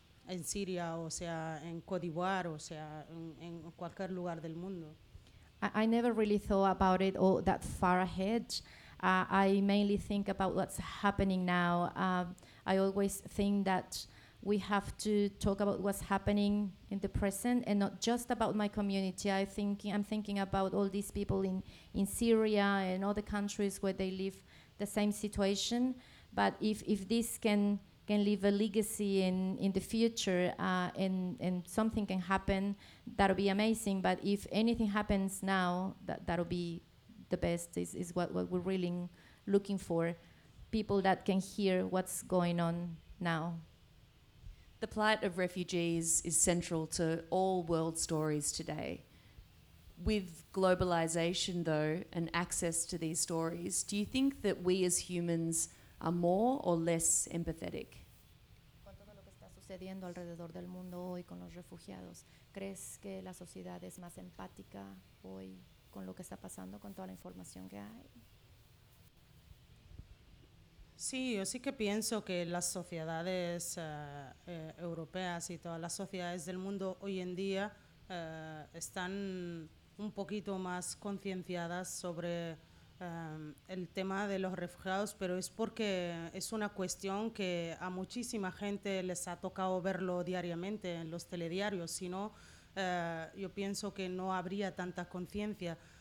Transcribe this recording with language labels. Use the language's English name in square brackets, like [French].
[Spanish] en Siria, o sea, en Côte d'Ivoire, o sea, en cualquier lugar del mundo. [English] I never really thought about it all that far ahead. I mainly think about what's happening now. I always think that we have to talk about what's happening in the present and not just about my community. I'm thinking about all these people in Syria and other countries where they live the same situation. But if this can leave a legacy in the future and something can happen, that'll be amazing. But if anything happens now, that'll be the best, is what we're really looking for. People that can hear what's going on now. The plight of refugees is central to all world stories today. With globalization, though, and access to these stories, do you think that we as humans are more or less empathetic? [Spanish] Con todo lo que está sucediendo alrededor del mundo hoy con los refugiados, ¿crees que la sociedad es más empática hoy con lo que está pasando, con toda la información que hay? Sí, yo sí que pienso que las sociedades europeas y todas las sociedades del mundo hoy en día están un poquito más concienciadas sobre el tema de los refugiados, pero es porque es una cuestión que a muchísima gente les ha tocado verlo diariamente en los telediarios, si no, yo pienso que no habría tanta conciencia.